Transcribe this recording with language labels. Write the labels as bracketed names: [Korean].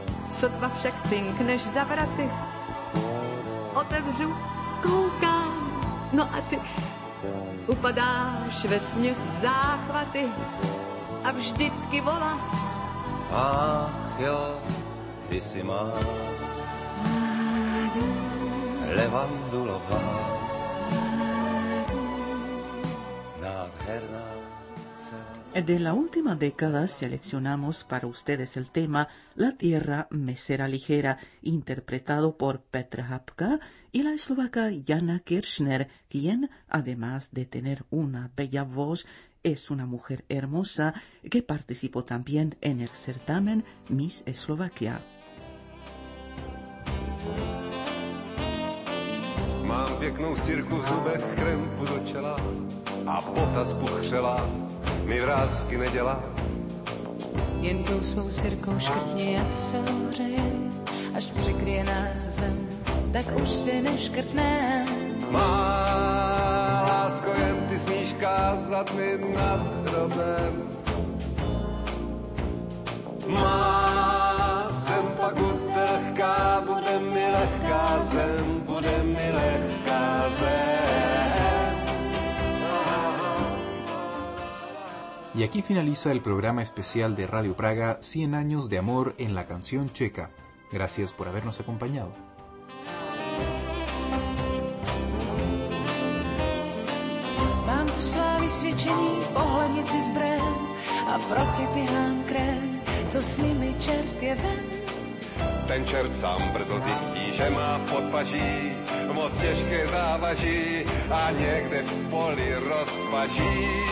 [Czech] Sotva však cinkneš za vraty, otevřu, koukám, no a ty upadáš vesměs v záchvaty a vždycky volá, ach jo, ty jsi má levandulová. [Spanish] De la última década seleccionamos para ustedes el tema La Tierra Mesera Ligera, interpretado por Petr Hapka y la eslovaca Jana Kirchner, quien, además de tener una bella voz, Es una mujer hermosa que participó también en el certamen Miss Eslovaquia. [Czech] Mám pěknou sirku v zubech, krempu do čela a pota zpuchřela mi vrázky nedělá. Jen tou svou sirkou škrtně, jak se hřejem, až překryje nás zem, tak už si neškrtne. Má lásko, jen ty smíš kázat mi nad hrobem. Má zem pak bude lehká, bude mi lehká zem, bude mi lehká zem. [Spanish] Y aquí finaliza el programa especial de Radio Praga, 100 años de amor en la canción checa. Gracias por habernos acompañado. [Czech] Mám tu svá vysvědčení, pohlednici zbrém, a proti pihám krém, co s nimi čert je ven. Ten čert sám brzo zjistí, že má v podpaží moc těžké závaží a někde v poli rozpaží.